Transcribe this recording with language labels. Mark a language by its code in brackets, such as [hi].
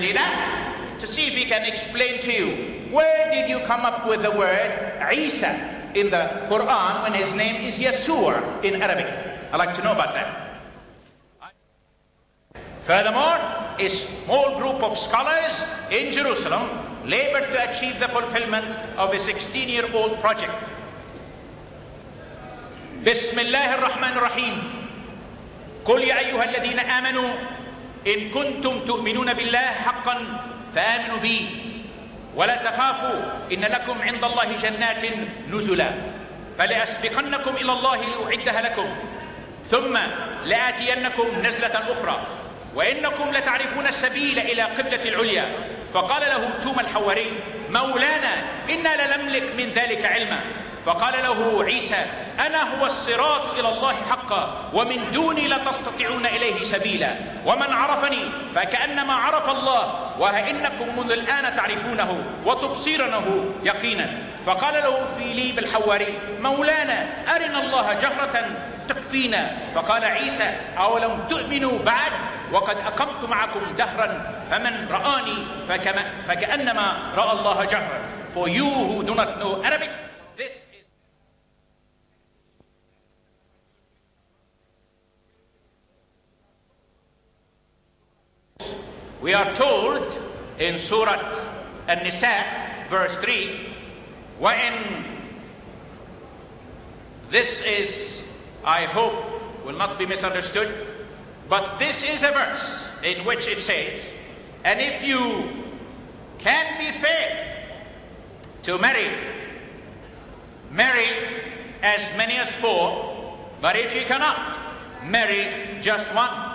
[en] Dina to see if he can explain to you where did you come up with the word Isa in the Quran when his name is Yasur in Arabic. I'd like to know about that. Furthermore, a small group of scholars in Jerusalem labored to achieve the fulfillment of a 16-year-old project. Bismillah ar-Rahman ar-Rahim. [ar] قل يا أيها الذين آمنوا إن كنتم تؤمنون بالله حقا فآمنوا بي ولا تخافوا إن لكم عند الله جنات نزلا فلأسبقنكم إلى الله ليعدها لكم ثم لآتينكم نزلة أخرى وإنكم لتعرفون السبيل إلى قبلة العليا. فقال له توما الحواري: مولانا إنا لنملك من ذلك علما. فقال له عيسى: أنا هو الصراط إلى الله حقا، ومن دوني لا تستطيعون إليه سبيلا، ومن عرفني فكأنما عرف الله، وإنكم منذ الآن تعرفونه وتبصيرنه يقينا. فقال له فيليب الحواري: مولانا أرنا الله جهرة تكفينا. فقال عيسى: أولم تؤمنوا بعد؟ وقد أقمت معكم دهرا، فمن رآني فكأنما رأى الله جهرا. [en] For you who do not know Arabic, this is... We are told in Surah An-Nisa, verse 3, when this is, I hope, will not be misunderstood, but this is a verse in which it says, and if you can be fair to marry, marry as many as four, but if you cannot, marry just one.